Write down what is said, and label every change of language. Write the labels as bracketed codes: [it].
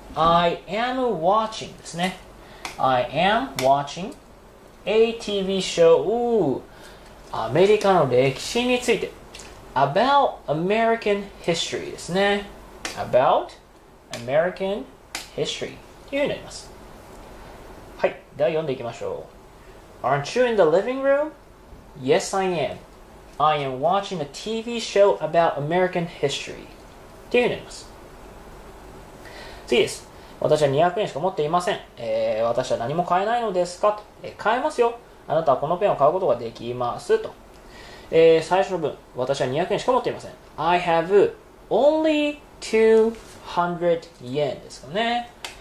[en] I am watching [ja] ですね。 [en] I am watching a TV show [ja] アメリカの歴史について。 [en] About American history [ja] ですね。 [en] About American history [ja] というふうになります。はい。では読んでいきましょう。 [en] Aren't you in the living room? Yes, I am. I am watching a TV show about American history. [ja] っていうふうになります。次です。私は200円しか持っていません。私は何も買えないのですかと、買えますよ。あなたはこのペンを買うことができます。と、最初の文。私は200円しか持っていません。 [en] I have only 200 yen [ja] ですかね。